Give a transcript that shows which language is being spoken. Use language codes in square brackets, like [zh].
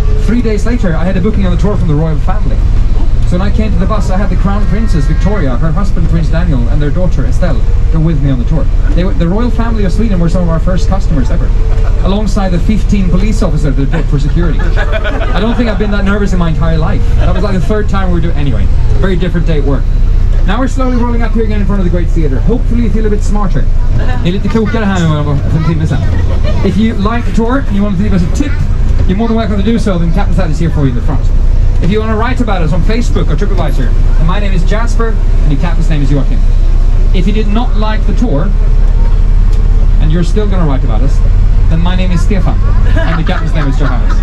[en] 3 days later, I had a booking on the tour from the royal family. So when I came to the bus, I had the crown princess, Victoria, her husband, Prince Daniel, and their daughter, Estelle, were with me on the tour. The royal family of Sweden were some of our first customers ever, alongside the 15 police officers that booked for security. I don't think I've been that nervous in my entire life. That was like the third time we were doing it. Anyway, a very different day at work. Now we're slowly rolling up here again in front of the Great Theatre. Hopefully you feel a bit smarter. [sv] Ni är lite klokare här nu än vad en timme sen. [en] If you like the tour and you want to leave us a tip, you're more than welcome to do so, then Captain Sad is here for you in the front. If you want to write about us on Facebook or TripAdvisor, then my name is Jasper and your captain's name is Joachim. If you did not like the tour, and you're still going to write about us, then my name is Stefan and the captain's name is Johannes.